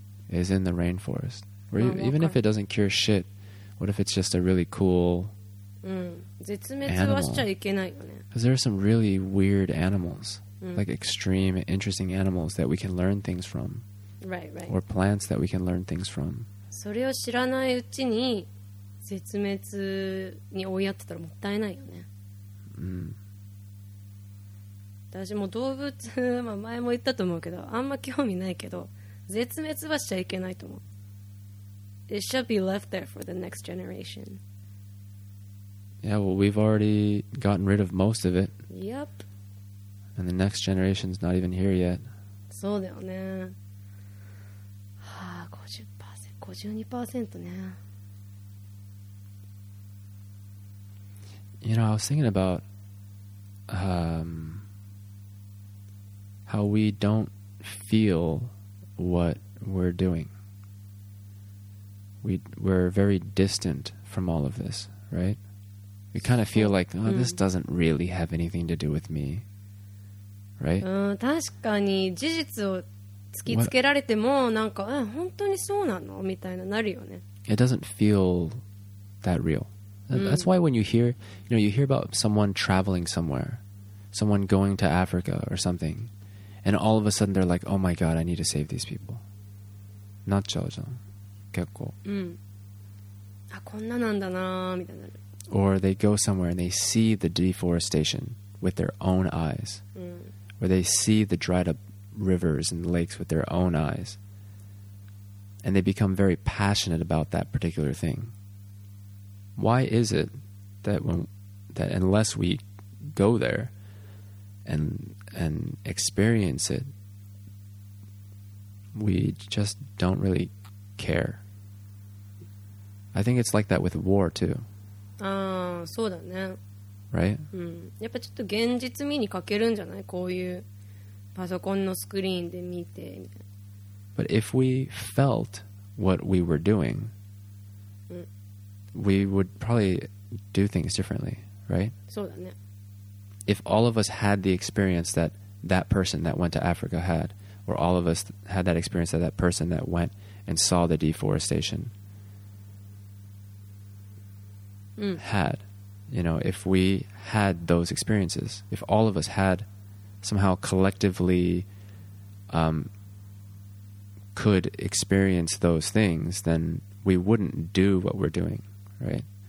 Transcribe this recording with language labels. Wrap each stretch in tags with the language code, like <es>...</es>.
<en>is in the rainforest. Or even if it doesn't cure shit, what if it's just a really cool animal? Because there are some really weird animals, like extreme, interesting animals that we can learn things from. Right, right. Or plants that we can learn things from.</en> <ja>それを知らないうちに絶滅に追いやってたらもったいないよね。私も動物、まあ前も言ったと思うけど、あんま興味ないけど、絶滅はしちゃいけないと思う。</ja> <en>It should be left there for the next generation. Yeah, well, we've already gotten rid of most of it. Yep. And the next generation's not even here yet.</en> <ja>そうだよね。はあ、50%、52%ね。</ja> <en>You know, I was thinking about how we don't feel what we're doing. We're very distant from all of this, right? We kind of feel like, oh, this doesn't really have anything to do with me, right?</en> <ja>確かに事実を突きつけられてもなんか、本当にそうなの? みたいななるよね。</ja> <en>It doesn't feel that real. That's why when you hear, you know, you hear about someone traveling somewhere, someone going to Africa or something, and all of a sudden they're like, oh my god, I need to save these people.</en> <ja>なっちゃうじゃん。結構。あ、こんななんだなーみたいになる。</ja> <en>Or they go somewhere and they see the deforestation with their own eyes. Or they see the dried up rivers and lakes with their own eyes. And they become very passionate about that particular thing. Why is it that that unless we go there and experience it, we just don't really care. I think it's like that with war too.</en> <ja>ああ、そうだね。</ja> <en>Right?</en> <ja>やっぱちょっと現実味に欠けるんじゃない?こういうパソコンのスクリーンで見てみたいな。</ja> <en>But if we felt what we were doing, we would probably do things differently, right?</en> <ja>そうだね。</ja> <en>If all of us had the experience that that person that went to Africa had, or all of us had that experience that that person that went and saw the deforestation had, you know, if we had those experiences, if all of us had somehow collectively could experience those things, then we wouldn't do what we're doing, right?</en>